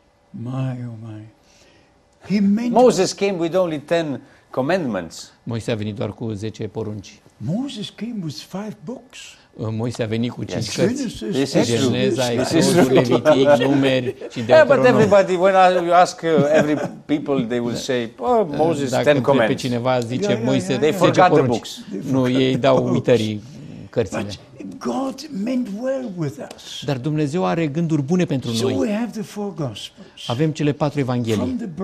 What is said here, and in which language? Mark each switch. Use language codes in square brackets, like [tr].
[en] My, oh my. Moses came with only 10 commandments. [ro] Moise a venit doar cu 10 porunci. [en] Moses came with 5 books. [ro] Moise a venit cu 5 cărți. Geneza, Exodul, Levitic, Numeri și Deuteronom. [en] But everybody, when you ask every people, they will say, oh, Moses, 10 commandments. [ro] Dacă pe cineva zice Moise, 10 porunci. Nu, ei dau uitării cărțile. [en] God meant well with us. [ro] Dar Dumnezeu are gânduri bune pentru noi. Avem cele 4 evanghelii.